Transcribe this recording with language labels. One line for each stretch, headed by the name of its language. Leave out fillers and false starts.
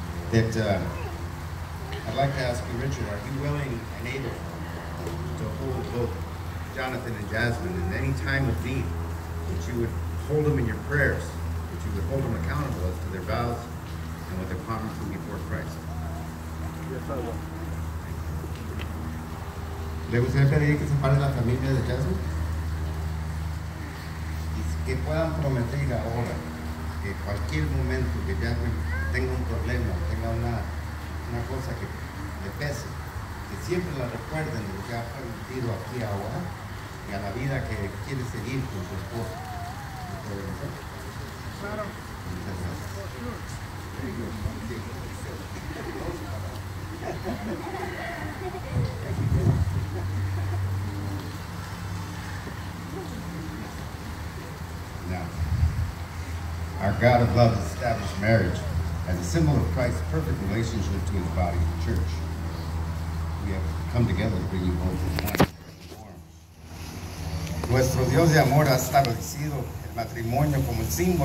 English: That I'd like to ask you, Richard, are you willing and able to hold both Jonathan and Jasmine in any time of need, that you would hold them in your prayers, that you would hold them accountable as to their vows and what they're promising before Christ? Yes, I will.
Spanish: ¿Le gustaría pedir que se pare la familia de Jasmine? Y que puedan prometer ahora que cualquier momento que Jasmine tenga un problema, tenga una cosa que le pese, que siempre la recuerden de lo que ha permitido aquí ahora y a la vida que quiere seguir con su esposo. ¿Me puede decir? Claro. Muchas gracias.
English: Our God of love established marriage as a symbol of Christ's perfect relationship to his body, the church. We have come together to bring you both in one.
Spanish: Nuestro Dios de amor ha establecido el matrimonio como el símbolo.